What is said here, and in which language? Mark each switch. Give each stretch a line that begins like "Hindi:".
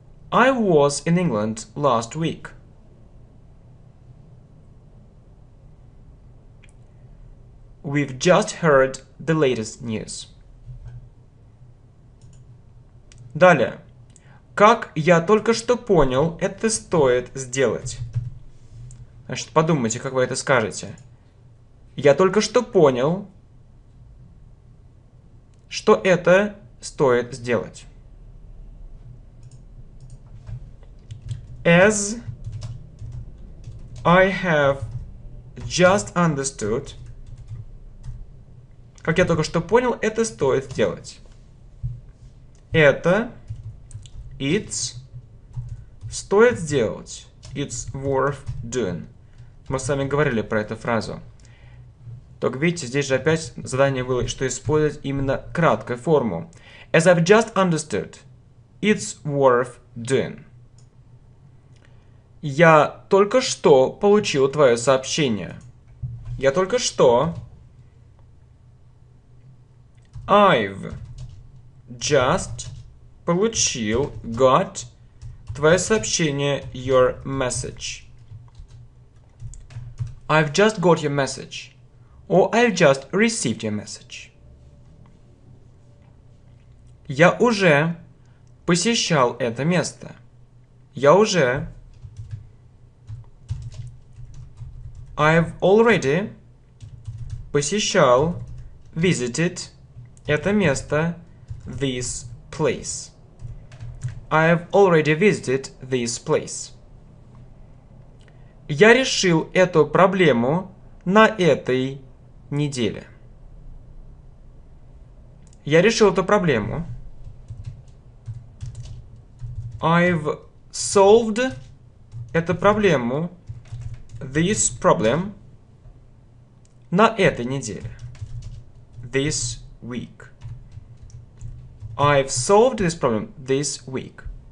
English: I was in England last week. We've just heard the latest news.
Russian: Далее. Как я только что понял, это стоит сделать. Значит, подумайте, как вы это скажете. Я только что понял, что это стоит сделать.
English: As I have just understood,
Russian: как я только что понял, это стоит сделать. Это
English: it's
Russian: стоит сделать.
English: It's worth doing.
Russian: Мы с вами говорили про эту фразу. Только видите, здесь же опять задание было, что использовать именно краткую форму.
English: As I've just understood, it's worth doing.
Russian: Я только что получил твое сообщение. Я только что.
English: I've just
Russian: получил,
English: got
Russian: твое сообщение,
English: your message. I've just got your message. Or I've just received your message.
Russian: Я уже посещал это место. Я уже.
English: I've already
Russian: посещал,
English: visited
Russian: это место,
English: this place. I've already visited this place.
Russian: Я решил эту проблему на этой неделе. Я решил эту проблему.
English: I've solved
Russian: эту проблему,
English: this problem,
Russian: на этой неделе.
English: This week. I've solved this problem this week.